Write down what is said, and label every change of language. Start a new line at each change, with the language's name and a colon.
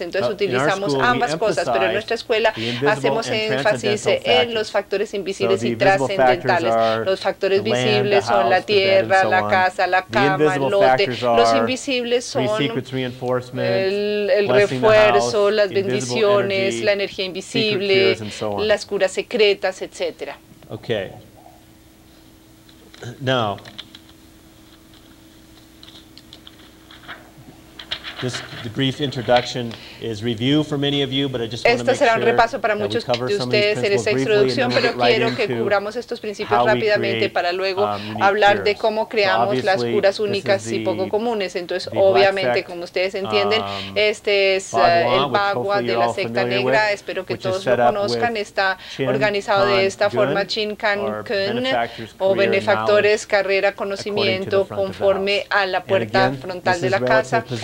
Spanish: Entonces utilizamos ambas cosas, pero en nuestra escuela hacemos énfasis en los factores invisibles y trascendentales. Los factores visibles son la tierra, la casa, la cama, el lote. Los invisibles son el refuerzo, las bendiciones, la energía invisible, las curas secretas, etc.
English: Okay. Now, this the brief introduction is review for many of you, but I just want to make sure that we cover some of these principles
Spanish: en esta introducción,
English: briefly,
Spanish: pero quiero que cubramos estos principios rápidamente para luego hablar de cómo creamos las curas únicas y poco comunes. Entonces, obviamente, como ustedes entienden, este es el Bagua de la secta negra. Espero que todos lo conozcan. Está organizado de esta forma: Chin Kan Kun, o benefactores, carrera, conocimiento, conforme a la puerta frontal de la casa.